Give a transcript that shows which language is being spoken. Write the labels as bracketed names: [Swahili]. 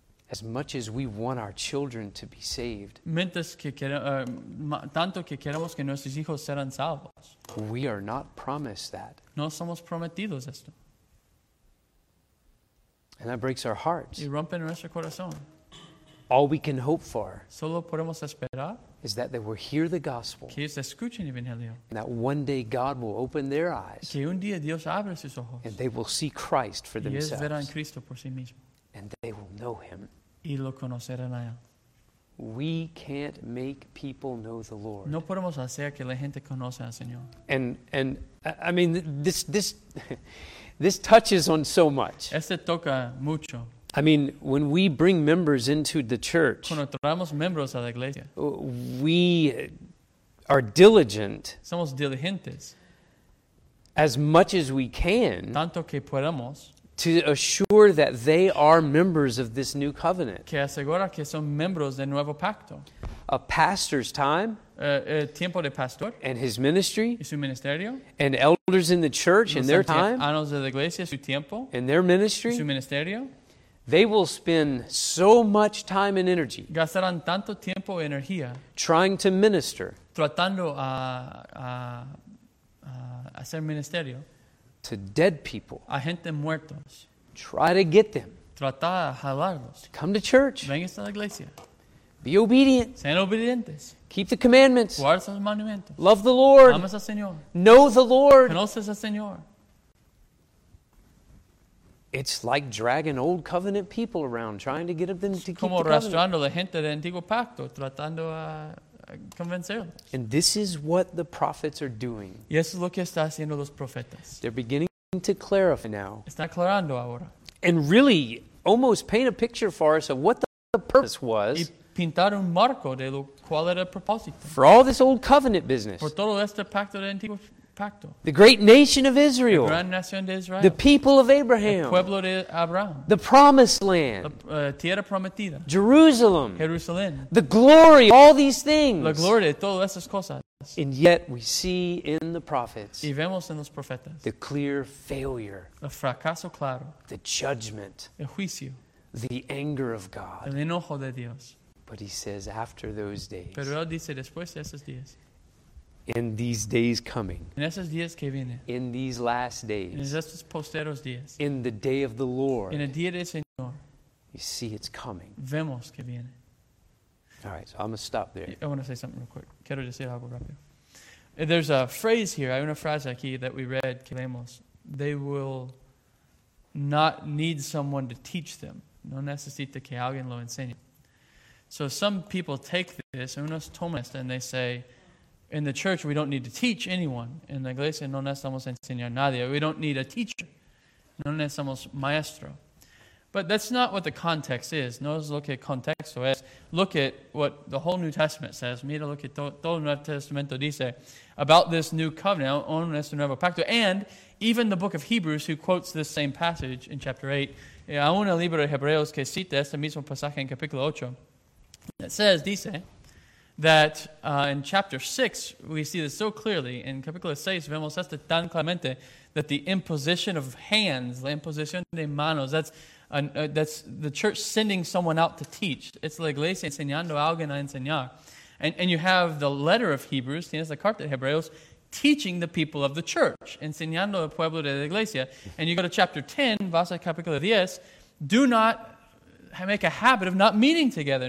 [English] As much as we want our children to be saved. [Spanish] Mientras que tanto que queremos que nuestros hijos sean salvos. [English] We are not promised that. [Spanish] No somos prometidos esto. [English] And that breaks our hearts. [Spanish] Y rompe nuestro corazón. [English] All we can hope for [Spanish] solo podemos esperar [English] is that they will hear the gospel. [Spanish] Que ellos escuchen el evangelio. [English] And that one day God will open their eyes. [Spanish] Que un día Dios abre sus ojos. [English] And they will see Christ for [Spanish] y [English] themselves. [Spanish] Y ellos verán Cristo por sí mismo. [English] And they will know him. [Spanish] Y lo conocerán a él. [English] We can't make people know the Lord. [Spanish] No podemos hacer que la gente conozca al Señor. [English] And I mean this This touches on so much. [Spanish] Este toca mucho. [English] I mean, when we bring members into the church, [Spanish] cuando traemos miembros a la iglesia, [English] we are diligent. [Spanish] Somos diligentes. [English] As much as we can. [Spanish] Tanto que podemos. [English] To assure that they are members of this new covenant. [Spanish] Que asegura que son miembros del nuevo pacto. [English] A pastor's time. [Spanish] El tiempo de pastor. [English] And his ministry. [Spanish] Y su ministerio. [English] And elders in the church in their time. [Spanish] Anos de la iglesia, su tiempo. [English] And their ministry. [Spanish] Y su ministerio. [English] They will spend so much time and energy. [Spanish] Gastarán tanto tiempo y energía. [English] Trying to minister. [Spanish] Tratando a hacer ministerio. [English] To dead people. [Spanish] A gente muertos. [English] Try to get them. [Spanish] Tratar a jalarlos. [English] Come to church. [Spanish] Vengan a la iglesia. [English] Be obedient. [Spanish] Sean obedientes. [English] Keep the commandments. [Spanish] Guarda los mandamientos. [English] Love the Lord. [Spanish] Amas al Señor. [English] Know the Lord. [Spanish] Conoces al Señor. [English] It's like dragging old covenant people around, trying to get them to keep the covenant. [Spanish] Como arrastrando la gente del antiguo pacto, tratando a convencerlos. [English] And this is what the prophets are doing. [Spanish] Y eso es lo que están haciendo los profetas. [English] They're beginning to clarify now. [Spanish] Está aclarando ahora. [English] And really, almost paint a picture for us of what the purpose was. [Spanish] Pintar un marco de lo cual era el propósito. [English] For all this old covenant business. [Spanish] Por todo este pacto del antiguo pacto. [English] The great nation of Israel. [Spanish] La gran nación de Israel. [English] The people of Abraham. [Spanish] El pueblo de Abraham. [English] The promised land. [Spanish] Tierra prometida. [English] Jerusalem. [Spanish] Jerusalén. [English] The glory of all these things. [Spanish] La gloria de todas estas cosas. [English] And yet we see in the prophets. [Spanish] Y vemos en los profetas. [English] The clear failure. [Spanish] El fracaso claro. [English] The judgment. [Spanish] El juicio. [English] The anger of God. [Spanish] El enojo de Dios. [English] But he says, after those days. [Spanish] Pero él dice, después de esos días. [English] In these days coming. [Spanish] En esos días que vienen. [English] In these last days. [Spanish] En estos posteros días. [English] In the day of the Lord. [Spanish] En el día del Señor. [English] You see, it's coming. [Spanish] Vemos que viene. [English] All right, so I'm going to stop there. I want to say something real quick. [Spanish] Quiero decir algo rápido. [English] There's a phrase here. [Spanish] Hay una frase aquí [English] that we read, [Spanish] que leemos. [English] They will not need someone to teach them. [Spanish] No necesita que alguien lo enseñe. [English] So some people take this, [Spanish] unos toman esto, [English] and they say, in the church, we don't need to teach anyone. [Spanish] En la iglesia, no necesitamos enseñar a nadie. [English] We don't need a teacher. [Spanish] No necesitamos maestro. [English] But that's not what the context is. [Spanish] No es lo que el contexto es. [English] Look at what the whole New Testament says. [Spanish] Mira lo que todo el Nuevo Testamento dice [English] about this new covenant, on [Spanish] este nuevo pacto. [English] And even the book of Hebrews, who quotes this same passage in chapter 8, [Spanish] aún el libro de Hebreos que cita este mismo pasaje en capítulo 8, [English] it says, [Spanish] dice, [English] that in chapter 6, we see this so clearly. [Spanish] In capítulo 6, vemos esto tan claramente, [English] that the imposition of hands, [Spanish] la imposición de manos, that's [English] That's the church sending someone out to teach. [Spanish] It's la iglesia enseñando a alguien a enseñar. [English] And you have the letter of Hebrews, [Spanish] tienes la carta de Hebreos, [English] teaching the people of the church, [Spanish] enseñando al pueblo de la iglesia. [English] And you go to chapter 10, [Spanish] vas a capítulo 10, [English] do not make a habit of not meeting together.